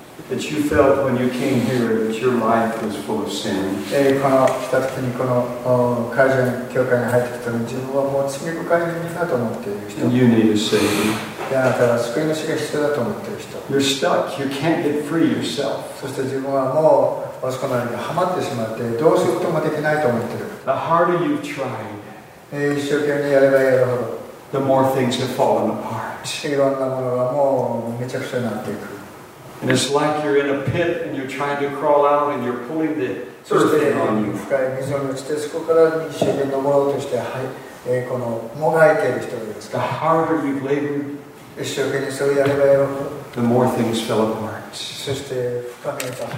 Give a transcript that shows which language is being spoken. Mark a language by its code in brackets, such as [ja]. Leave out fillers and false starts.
[en] That you felt when you came here that your life was full of sin. [ja] この来た時にこの会場に教会に入ってきた時に自分はもう罪深い人だと思っている人。 [en] You need a savior. [ja] であなたは救い主が必要だと思っている人。 [en] You're stuck. You can't get free yourself. [ja] そして自分はもう押し込まれてハマってしまってどうすることもできないと思っている。 [en] The harder you try, [ja] 一生懸命やればやるほど、 [en] the more things have fallen apart. [ja] いろんなものがもうめちゃくちゃになっていく。 [en] And it's like you're in a pit and you're trying to crawl out and you're pulling the earth in on you. The harder you've labored, the more things fell apart.